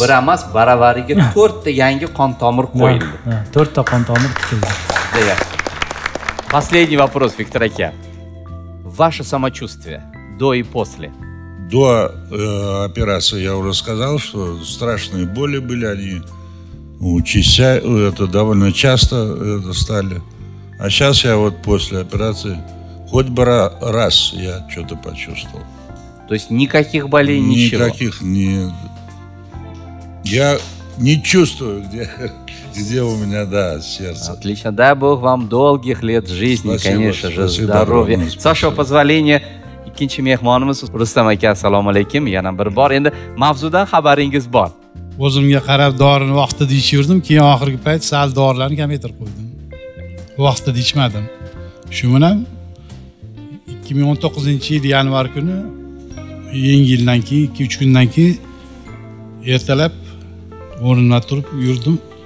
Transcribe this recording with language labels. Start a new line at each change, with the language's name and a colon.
Uzbek: Bir emas, baravariga 4 ta yangi qon tomir qo'yildi. 4 ta qon tomir tikildi.
Russian: Последний вопрос, Виктор Аке. Ваше самочувствие до и после? До операции я уже сказал, что страшные боли были, они участились, это довольно часто это стали. А сейчас я вот после операции хоть бы раз я что-то почувствовал. То есть никаких болей, ничего? Никаких, нет. Я не чувствую, где у меня, да, сердце. Отлично. Дай Бог вам долгих лет жизни, спасибо, конечно же, спасибо, здоровья. Спасибо.
Uzbek: С вашего позволения, ikkinchi mehmonimiz Rustam aka, assalomu alaykum. Yana bir bor, endi mavzudan xabaringiz bor. O'zimga qarab dorini vaqtida ichirdim, keyin oxirgi payt sal dorilarni kamaytirib qo'ydim. Vaqtida ichmadim. Shu bilan 2019-yil yanvar kuni yengildan keyin 2-3 kundan keyin ertalab o'rnimdan turib yurdim.